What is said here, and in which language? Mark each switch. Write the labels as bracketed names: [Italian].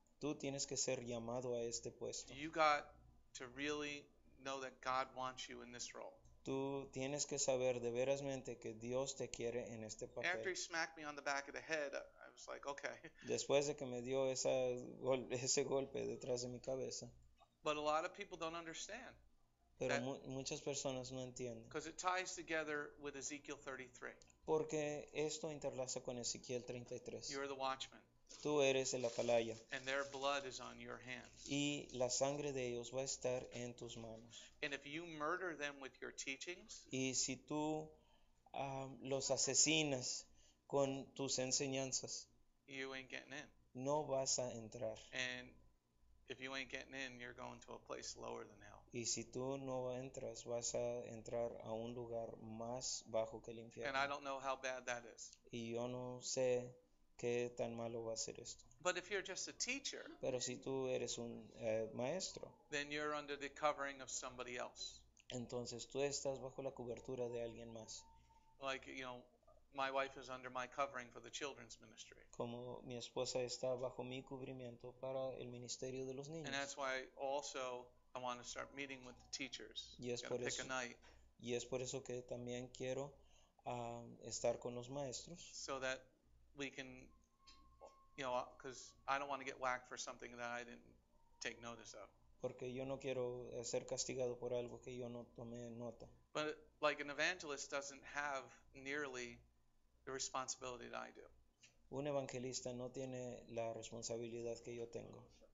[Spanish] Tú tienes que ser llamado a este puesto. [English] You got to really know that God wants you in this role. [Spanish] Tú tienes que saber de verasmente que Dios te quiere en este papel. [English] After he smacked me on the back of the head, I was like, okay. [Spanish] Después de que me dio ese golpe detrás de mi cabeza. [English] But a lot of people don't understand. [Spanish] Pero muchas personas no entienden. [English] Because it ties together with Ezekiel 33. [Spanish] Porque esto interlaza con Ezequiel 33. [English] You're the watchman. [Spanish] Tú eres el atalaya. [English] And their blood is on your hands. [Spanish] Y la sangre de ellos va a estar en tus manos. [English] And if you murder them with your teachings, [Spanish] y si tú los asesinas con tus enseñanzas, [English] you ain't getting in. [Spanish] No vas a entrar. [English] And if you ain't getting in, you're going to a place lower than hell. [Spanish] Y si tú no entras, vas a entrar a un lugar más bajo que el infierno. [English] And I don't know how bad that is. [Spanish] Y yo no sé qué tan malo va a ser esto. [English] But if you're just a teacher, [Spanish] pero si tú eres un maestro, [English] then you're under the covering of somebody else. [Spanish] Entonces tú estás bajo la cobertura de alguien más. [English] Like, you know, my wife is under my covering for the children's ministry. [Spanish] Como mi esposa está bajo mi cubrimiento para el ministerio de los niños. [English] And that's why also I want to start meeting with the teachers. Yes, [Spanish] por eso. [English] Pick a night. [Spanish] Y es por eso que también quiero estar con los maestros. [English] So that we can, you know, because I don't want to get whacked for something that I didn't take notice of. [Spanish] Porque yo no quiero ser castigado por algo que yo no tomé nota. [English] But like an evangelist doesn't have nearly the responsibility that I do. [Spanish] Un evangelista no tiene la responsabilidad que yo tengo.